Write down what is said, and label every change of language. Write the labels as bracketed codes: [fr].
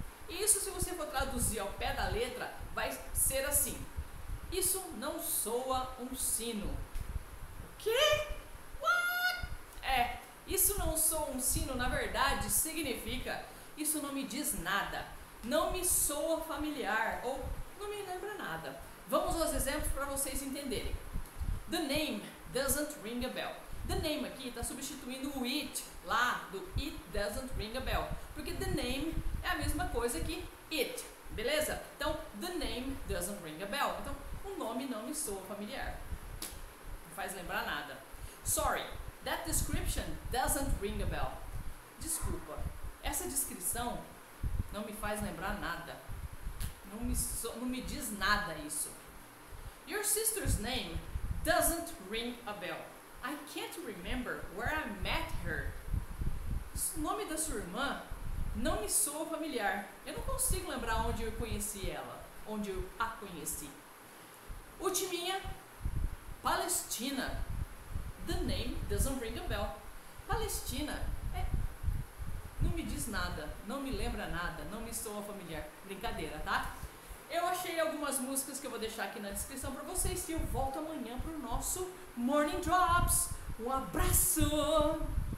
[pt] E isso, se você for traduzir ao pé da letra, vai ser assim: isso não soa um sino. O quê? [en] What? [pt] É, isso não soa um sino, na verdade, significa isso não me diz nada, não me soa familiar ou não me lembra nada. Vamos aos exemplos para vocês entenderem. [en] The name doesn't ring a bell. [pt] The name aqui está substituindo o it lá do [en] it doesn't ring a bell, [pt] porque the name é a mesma coisa que it, beleza? Então, [en] the name doesn't ring a bell. [pt] Então, o nome não me soa familiar. Não faz lembrar nada. [en] Sorry, that description doesn't ring a bell. [pt] Desculpa, essa descrição não me faz lembrar nada. Não me diz nada isso. [en] Your sister's name doesn't ring a bell. I can't remember where I met her. [pt] O nome da sua irmã não me soa familiar. Eu não consigo lembrar onde eu conheci ela, onde eu a conheci. Ultiminha, Palestina. [en] The name doesn't ring a bell. [pt] Palestina é... não me diz nada, não me lembra nada, não me soa familiar. Brincadeira, tá? Eu achei algumas músicas que eu vou deixar aqui na descrição para vocês e eu volto amanhã para o nosso Morning Drops. Um abraço!